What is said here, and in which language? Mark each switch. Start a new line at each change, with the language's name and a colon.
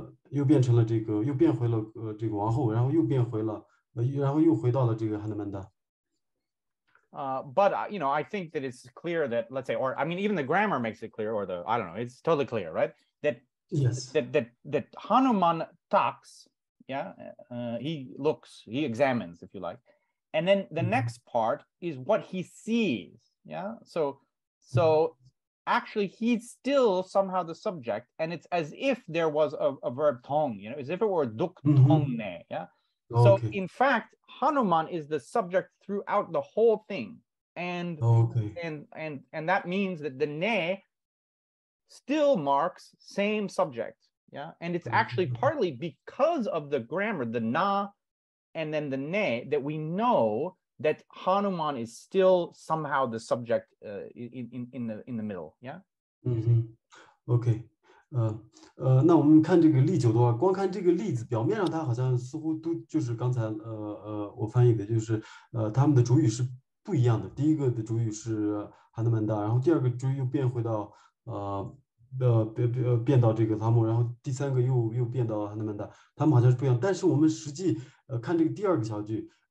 Chinese: 又变回了这个王后，然后又回到了这个汉德曼达。But
English: you know, I think that it's clear that let's say, or I mean, even the grammar makes it clear, or the I don't know, it's totally clear, right? That yes, that Hanuman talks, yeah. He looks, he examines, if you like, and then the next part is what he sees, yeah. So. Actually, he's still somehow the subject, and it's as if there was a verb tong, you know, as if it were duk tongne, yeah? Okay. So, in fact, Hanuman is the subject throughout the whole thing, and that means that the ne still marks same subject, yeah? And it's actually partly because of the grammar, the na and then the ne, that we know that Hanuman is still somehow the subject in the middle, yeah. Okay.
Chinese: 那我们看这个例九的话，光看这个例子，表面上它好像似乎都就是刚才我翻译的，就是他们的主语是不一样的。第一个的主语是 Hanumanda， 然后第二个主语又变到这个汤姆，然后第三个又变到 Hanumanda， 他们好像是不一样。但是我们实际看这个第二个小句。